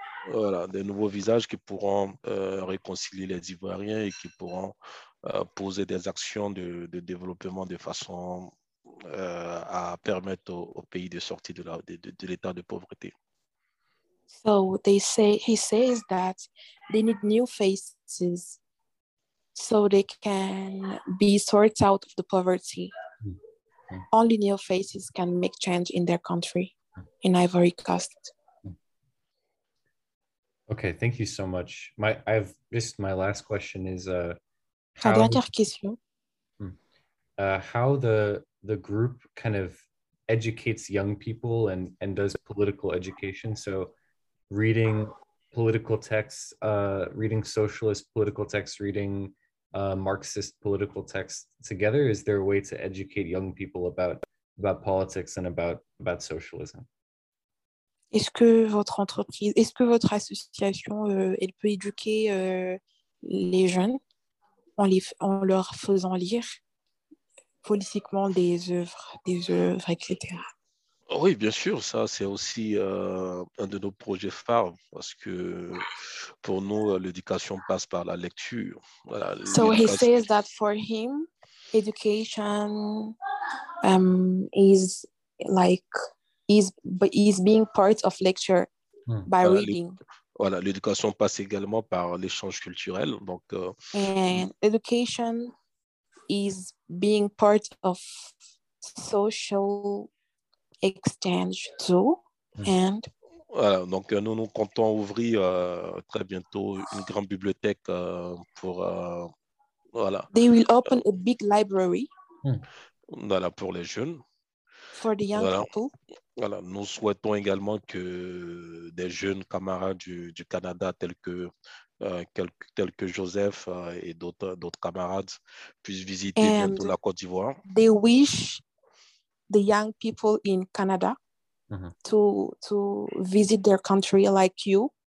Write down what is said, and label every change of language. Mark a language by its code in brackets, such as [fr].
[fr] Voilà, des nouveaux visages qui pourront réconcilier les Ivoiriens et qui pourront poser des actions de développement de façon à permettre au pays de sortir de l'état de pauvreté. [en] So they say, he says that they need new faces so they can be sorted out of the poverty. Mm-hmm. Only new faces can make change in their country, in Ivory Coast. Okay, thank you so much. My last question is how the group kind of educates young people and does political education. So reading political texts, reading socialist political texts, reading Marxist political texts together, is there a way to educate young people about politics and about socialism? [fr] Est-ce que votre entreprise, est-ce que votre association, elle peut éduquer les jeunes en leur faisant lire politiquement des œuvres, etc. Oui, bien sûr, ça c'est aussi un de nos projets phares parce que pour nous, l'éducation passe par la lecture. Voilà, [en] so he says that for him, education is like is being part of lecture by reading. [fr] Voilà, l'éducation passe également par l'échange culturel. Donc, [en] and education is being part of social exchange too. And [fr] voilà, donc nous comptons ouvrir très bientôt une grande bibliothèque pour voilà. [en] They will open a big library. [fr] Voilà, pour les jeunes. [en] For the young people. [fr] Voilà, nous souhaitons également que des jeunes camarades du Canada tels que Joseph et d'autres camarades puissent visiter [en] and [fr] bientôt la Côte d'Ivoire. [en] They wish the young people in Canada to visit their country like you.